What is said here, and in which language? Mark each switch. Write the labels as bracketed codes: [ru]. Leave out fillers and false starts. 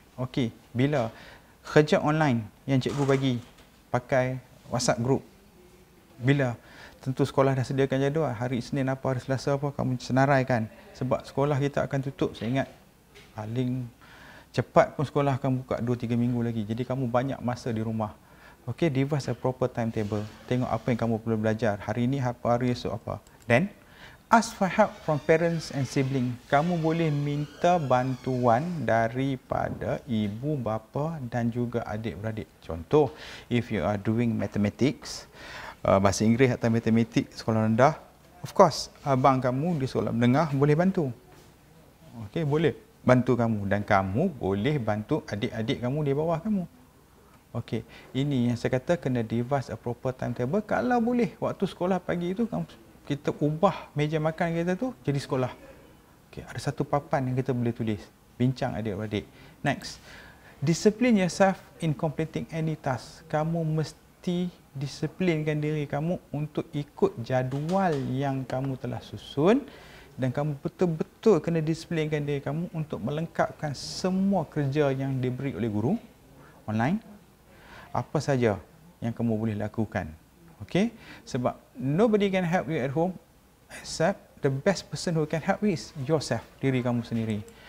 [ms] Okey, bila kerja online yang cikgu bagi pakai WhatsApp group, bila tentu sekolah dah sediakan jadual, hari Isnin apa, hari Selasa apa, kamu senaraikan. Sebab sekolah kita akan tutup, saya ingat paling cepat pun sekolah akan buka 2-3 minggu lagi. Jadi kamu banyak masa di rumah. Okay, [en] devise a proper timetable. [ms] Tengok apa yang kamu perlu belajar. Hari ini apa, hari esok apa. [en] Then, ask for help from parents and sibling. [ms] Kamu boleh minta bantuan daripada ibu bapa dan juga adik-beradik. Contoh, [en] if you are doing mathematics, [ms] bahasa Inggeris atau matematik sekolah rendah, [en] of course, [ms] abang kamu di sekolah menengah boleh bantu. Okay, boleh bantu kamu. Dan kamu boleh bantu adik-adik kamu di bawah kamu. Okey, ini yang saya kata kena [en] devise a proper timetable. [ms] Kalau boleh waktu sekolah pagi itu kita ubah meja makan kita tu jadi sekolah. Okey, ada satu papan yang kita boleh tulis. Bincang adik-adik. Next. [en] Discipline yourself in completing any task. [ms] Kamu mesti disiplinkan diri kamu untuk ikut jadual yang kamu telah susun dan kamu betul-betul kena disiplinkan diri kamu untuk melengkapkan semua kerja yang diberi oleh guru online. Apa saja yang kamu boleh lakukan. Okay? [en] Sebab nobody can help you at home except the best person who can help you is yourself, [ms] diri kamu sendiri.